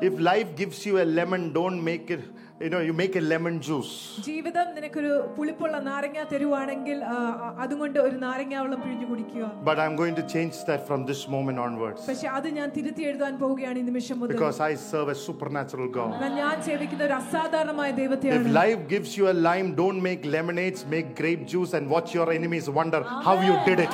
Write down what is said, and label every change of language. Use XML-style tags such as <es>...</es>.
<en>if life gives you a lemon, don't make it, you know, you make a lemon juice.</en> <ml>ജീവിതം നിനക്കൊരു പുളിപ്പുള്ള നാരങ്ങ തരുവാണെങ്കിൽ അതുകൊണ്ട് ഒരു നാരങ്ങാവെള്ളം പിഴിഞ്ഞു കുടിക്കുക.</ml> <en>But I'm going to change that from this moment onwards.</en> <ml>പക്ഷേ അത് ഞാൻ തിരുത്തി എഴുതാൻ പോവുകയാണ് ഈ നിമിഷം മുതൽ.</ml> <en>Because I serve a supernatural God.</en> <ml>ഞാൻ സേവിക്കുന്ന ഒരു അസാധാരണമായ ദൈവത്തെയാണ്.</ml> <en>If life gives you a lime, don't make lemonades, make grape juice and watch your enemies wonder how you did it.</en>